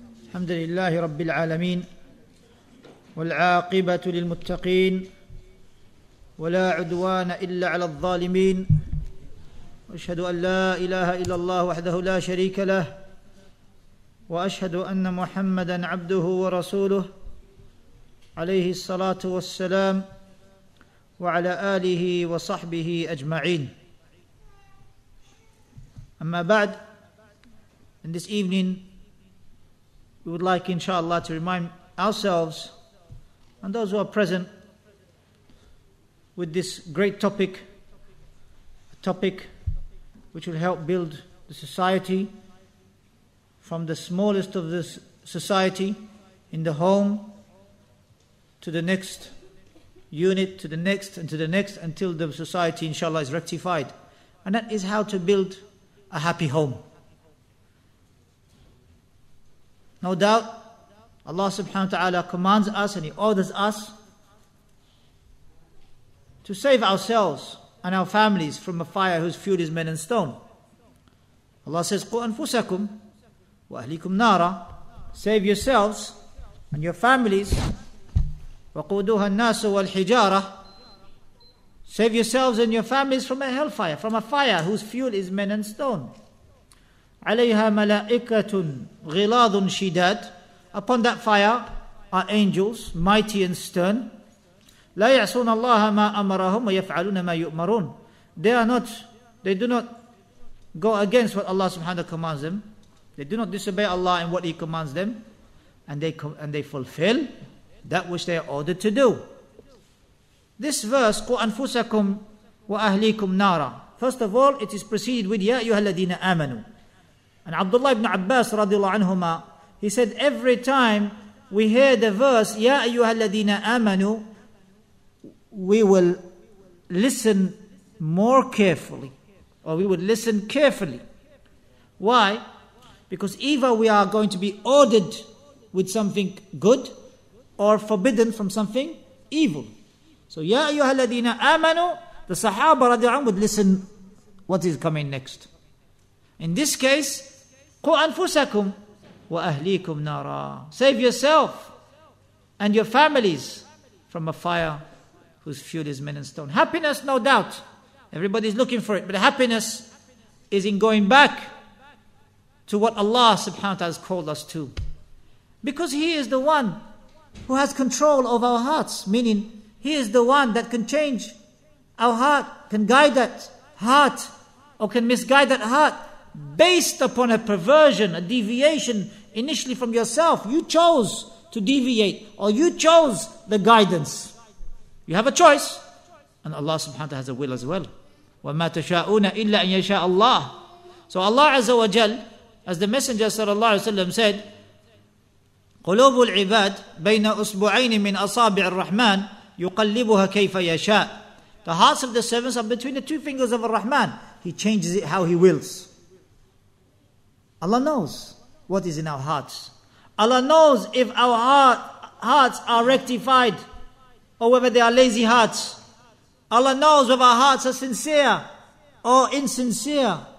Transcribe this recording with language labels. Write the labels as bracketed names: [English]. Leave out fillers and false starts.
[Arabic] الحمد لله رب العالمين والعاقبة للمتقين ولا عدوان إلا على الظالمين وأشهد أن لا إله إلا الله وحده لا شريك له وأشهد أن محمدًا عبده ورسوله عليه الصلاة والسلام وعلى آله وصحبه أجمعين أما بعد. [English] In this evening, we would like, inshallah, to remind ourselves and those who are present with this great topic, a topic which will help build the society from the smallest of this society in the home to the next unit, to the next and to the next until the society, inshallah, is rectified. And that is how to build a happy home. No doubt, Allah subhanahu wa ta'ala commands us and He orders us to save ourselves and our families from a fire whose fuel is men and stone. Allah says, [Arabic] قُوا أَنفُسَكُمْ وَأَهْلِكُمْ نَارًا. [English] Save yourselves and your families. [Arabic] وَقُودُوهَا النَّاسُ وَالْحِجَارَةِ. [English] Save yourselves and your families from a hellfire, from a fire whose fuel is men and stone. [Arabic] عليها ملائكة غلاظ شداد. [English] Upon that fire are angels, mighty and stern. [Arabic] لا يعصون الله ما أمرهم ويفعلون ما يؤمرون. [English] They do not go against what Allah subhanahu wa ta'ala commands them. They do not disobey Allah and what He commands them, and they fulfill that which they are ordered to do. This verse, [Arabic] قُوا أنفسكم وأهليكم نارا. [English] First of all, it is preceded with [Arabic] يا أيها الذين آمنوا. [English] And Abdullah ibn Abbas radiallahu anhuma, he said, every time we hear the verse [Arabic] يَا أَيُّهَا الَّذِينَ آمَنُوا, [English] we will listen more carefully, or we would listen carefully. Why? Because either we are going to be ordered with something good or forbidden from something evil. So [Arabic] يَا أَيُّهَا الَّذِينَ آمَنُوا, [English] the Sahaba radiallahu anhu would listen what is coming next. In this case, [Arabic] قُوا أَنفُسَكُمْ وَأَهْلِيكُمْ نَارًا. [English] Save yourself and your families from a fire whose fuel is men and stone. Happiness, no doubt. Everybody is looking for it. But happiness is in going back to what Allah subhanahu wa ta'ala has called us to. Because He is the one who has control of our hearts. Meaning, He is the one that can change our heart, can guide that heart, or can misguide that heart. Based upon a perversion, a deviation initially from yourself. You chose to deviate, or you chose the guidance. You have a choice. And Allah subhanahu wa ta'ala has a will as well. [Arabic] وَمَا تَشَاءُونَ إِلَّا أَن يَشَاءَ اللَّهِ. [English] So Allah Azza wa Jal, as the Messenger sallallahu alayhi wa sallam said, [Arabic] قُلُوبُ الْعِبَادِ بَيْنَ أُصْبُعَيْنِ مِنْ أَصَابِعِ الرَّحْمَنِ يُقَلِّبُهَا كَيْفَ يَشَاءَ. [English] The hearts of the servants are between the two fingers of Ar-Rahman. He changes it how He wills. Allah knows what is in our hearts. Allah knows if our hearts are rectified or whether they are lazy hearts. Allah knows whether our hearts are sincere or insincere.